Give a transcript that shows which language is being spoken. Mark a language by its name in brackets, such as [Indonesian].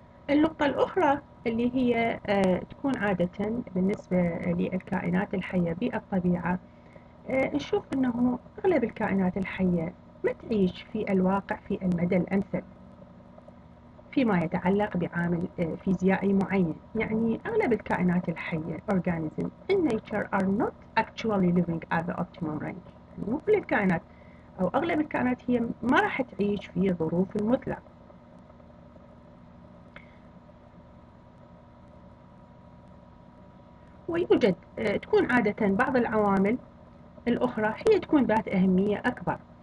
[Arabic] النقطة الأخرى اللي هي تكون عادة بالنسبة للكائنات الحية بالطبيعة، نشوف أنه أغلب الكائنات الحية ما تعيش في الواقع في المدى الأمثل فيما يتعلق بعامل فيزيائي معين. يعني أغلب الكائنات الحية [English] organism in nature are not actually living at the optimum range. [Arabic] يعني مو كل الكائنات أو أغلب الكائنات هي ما راح تعيش في ظروف المثلى. ويوجد تكون عادة بعض العوامل الأخرى هي تكون ذات أهمية أكبر.